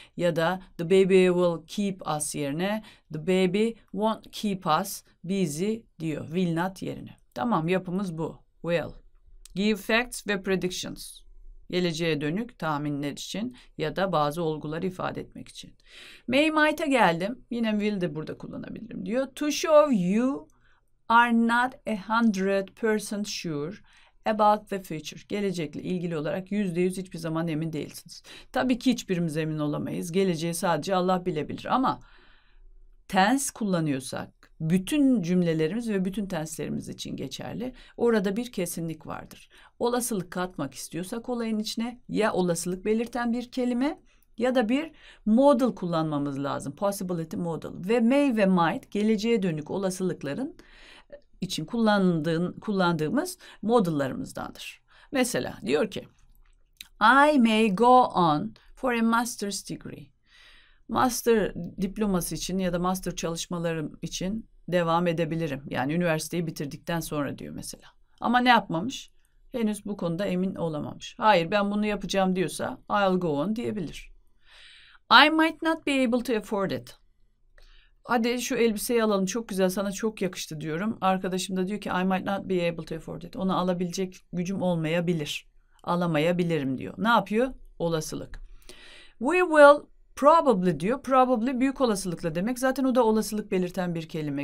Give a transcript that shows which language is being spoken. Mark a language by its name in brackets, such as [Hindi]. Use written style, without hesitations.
[Turkish] Ya da [English] the baby will keep us [Turkish] yerine [English] the baby won't keep us busy [Turkish] diyor. [English] Will not [Turkish] yerine. Tamam yapımız bu. Will. Give facts ve predictions. Geleceğe dönük tahminler için ya da bazı olguları ifade etmek için. May might'a geldim. Yine will de burada kullanabilirim diyor. [English] To show you are not 100% sure about the future. [Turkish] Gelecekle ilgili olarak %100 hiçbir zaman emin değilsiniz. Tabii ki hiçbirimiz emin olamayız. Geleceği sadece Allah bilebilir ama tense kullanıyorsak bütün cümlelerimiz ve bütün tenslerimiz için geçerli. Orada bir kesinlik vardır. Olasılık katmak istiyorsak olayın içine ya olasılık belirten bir kelime ya da bir model kullanmamız lazım. Possibility model. Ve may ve might geleceğe dönük olasılıkların için kullandığımız modellerimizdendir. Mesela diyor ki [English] I may go on for a master's degree. [Turkish] Master diploması için ya da master çalışmalarım için devam edebilirim. Yani üniversiteyi bitirdikten sonra diyor mesela. Ama ne yapmamış? Henüz bu konuda emin olamamış. Hayır ben bunu yapacağım diyorsa [English] I'll go on [Turkish] diyebilir. [English] I might not be able to afford it. [Turkish] Hadi şu elbiseyi alalım çok güzel sana çok yakıştı diyorum. Arkadaşım da diyor ki [English] I might not be able to afford it. [Turkish] Onu alabilecek gücüm olmayabilir. Alamayabilirim diyor. Ne yapıyor? Olasılık. [English] We will probably [Turkish] diyor. Probably büyük olasılıkla demek. Zaten o da olasılık belirten bir kelime.